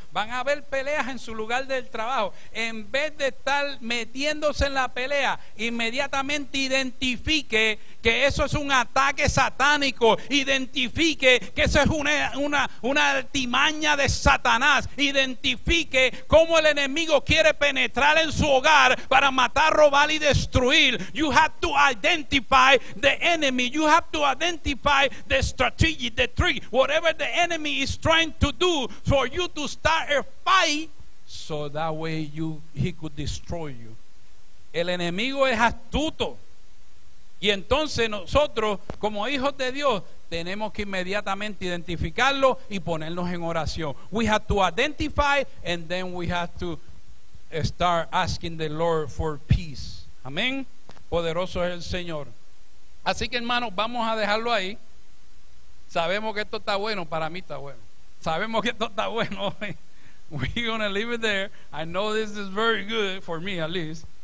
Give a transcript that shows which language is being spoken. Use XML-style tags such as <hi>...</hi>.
<es>van a ver peleas en su lugar del trabajo, en vez de estar metiéndose en la pelea, inmediatamente identifique que eso es un ataque satánico, identifique que eso es una artimaña de Satanás, identifique cómo el enemigo quiere penetrar en su hogar para matar, robar y destruir.</es> <en>You have to identify the enemy, you have to identify the strategy, the trick, whatever the enemy is trying to do for you to start a fight, so that way he could destroy you.</en> <es>El enemigo es astuto. Y entonces nosotros, como hijos de Dios, tenemos que inmediatamente identificarlo y ponernos en oración.</es> <en>We have to identify, and then we have to start asking the Lord for peace.</en> <es>Amén. Poderoso es el Señor. Así que, hermanos, vamos a dejarlo ahí. Sabemos que esto está bueno, para mí está bueno. Sabemos que esto está bueno.</es> <en>We're going to leave it there. I know this is very good, for me at least.</en>